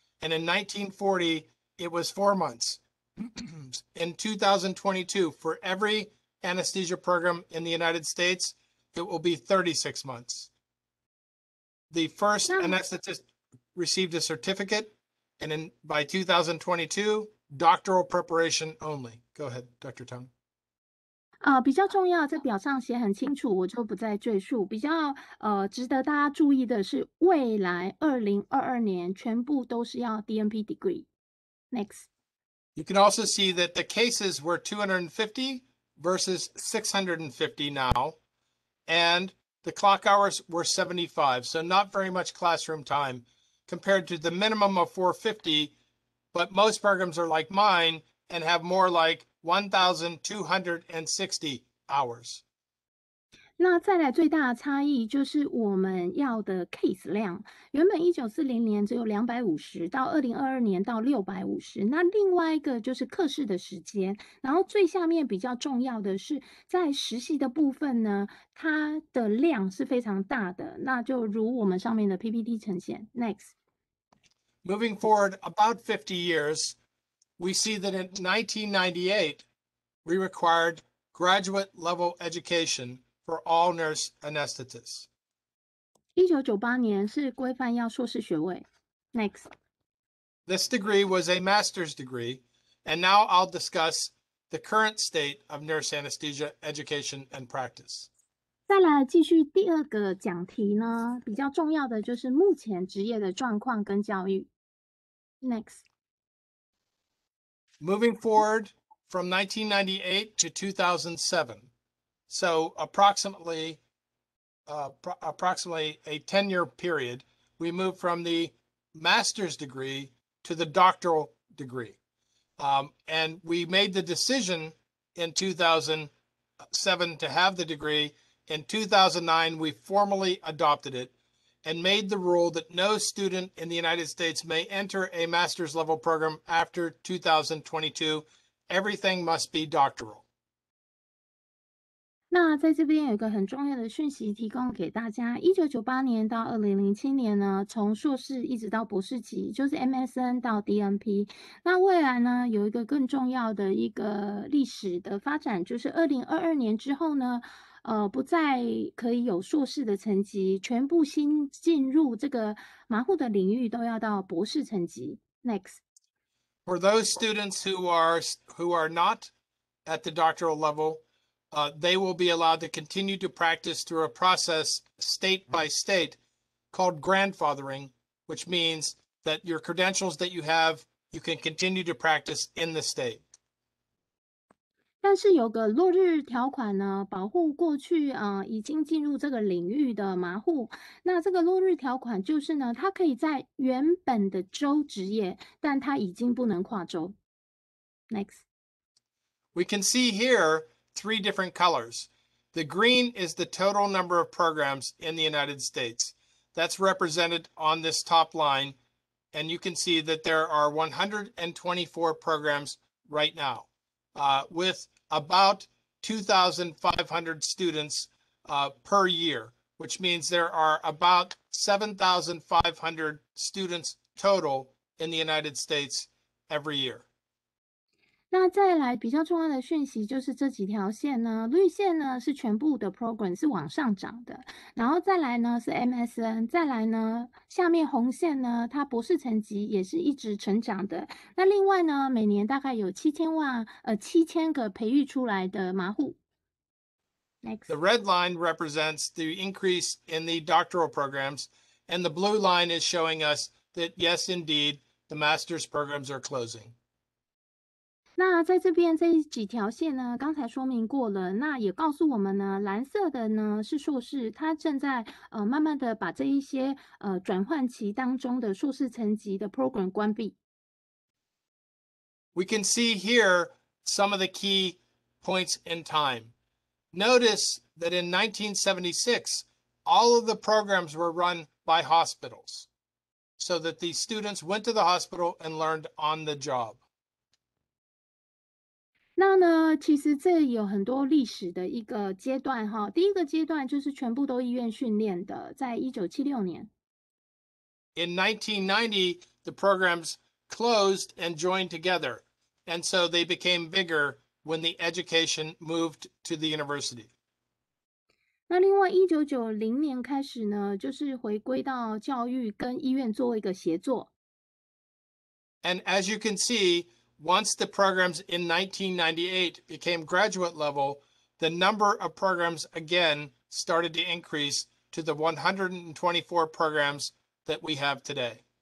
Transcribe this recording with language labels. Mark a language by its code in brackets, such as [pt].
[en] And in 1940, it was 4 months. In 2022, for every anesthesia program in the United States, it will be 36 months. The first anesthetist received a certificate, and in, by 2022,Doctoral preparation only. Go ahead, Dr. Tung. [zh] 比较重要，在表上写很清楚，我就不再赘述。比较值得大家注意的是，未来2022年全部都是要 DNP degree. [en] Next. You can also see that the cases were 250 versus 650 now, and the clock hours were 75, so not very much classroom time compared to the minimum of 450. But most programs are like mine and have more like 1,260 hours. [zh] 那再来最大的差异就是我们要的 case 量，原本1940年只有250，到2022年到650。那另外一个就是课室的时间，然后最下面比较重要的是在实习的部分呢，它的量是非常大的，那就如我们上面的 PPT 呈现。 [en] Next. Moving forward about 50 years, we see that in 1998, we required graduate level education for all nurse anesthetists. [zh] 1998年是规范要硕士学位。 [en] Next. This degree was a master's degree, and now I'll discuss the current state of nurse anesthesia education and practice. [zh] 再来继续第二个讲题呢，比较重要的就是目前职业的状况跟教育。 [en] Next. Moving forward from 1998 to 2007, so approximately a 10-year period, we moved from the master's degree to the doctoral degree. And we made the decision in 2007 to have the degree. In 2009, we formally adopted it. And made the rule that no student in the United States may enter a master's level program after 2022. Everything must be doctoral. [zh] 那在这边有一个很重要的讯息提供给大家。 1998年到2007年呢，从硕士一直到博士级，就是 MSN 到 DNP。那未来呢，有一个更重要的一个历史的发展，就是2022年之后呢。不再可以有硕士的层级，全部新进入这个麻醐的领域都要到博士层级。 [en] Next. For those students who are not at the doctoral level, they will be allowed to continue to practice through a process state by state called grandfathering, which means that your credentials that you have, you can continue to practice in the state. [zh] 但是有个落日条款呢，保护过去已经进入这个领域的麻醐。那这个落日条款就是呢，它可以在原本的州执业，但它已经不能跨州。 [en] Next. We can see here three different colors. The green is the total number of programs in the United States. That's represented on this top line. And you can see that there are 124 programs right now. With about 2,500 students per year, which means there are about 7,500 students total in the United States every year. [zh] 那再来比较重要的讯息就是这几条线呢，绿线呢是全部的 program 是往上涨的，然后再来呢是 MSN， 再来呢下面红线呢，它博士层级也是一直成长的。那另外呢，每年大概有7000个培育出来的麻醐。 [en] Next. The red line represents the increase in the doctoral programs, and the blue line is showing us that yes, indeed, the master's programs are closing. [zh] 那在这边这几条线呢，刚才说明过了，那也告诉我们呢，蓝色的呢是硕士，他正在慢慢的把这一些转换期当中的硕士层级的 program 关闭。 [en] We can see here some of the key points in time. Notice that in 1976, all of the programs were run by hospitals, so that the students went to the hospital and learned on the job. [zh] 那呢，其实这有很多历史的一个阶段哈。第一个阶段就是全部都医院训练的，在1976年。 [en] In 1990, the programs closed and joined together, and so they became bigger when the education moved to the university. [zh] 那另外1990年开始呢，就是回归到教育跟医院做一个协作。 [en] And as you can see, once the programs in 1998 became graduate level, the number of programs again started to increase to the 124 programs that we have today.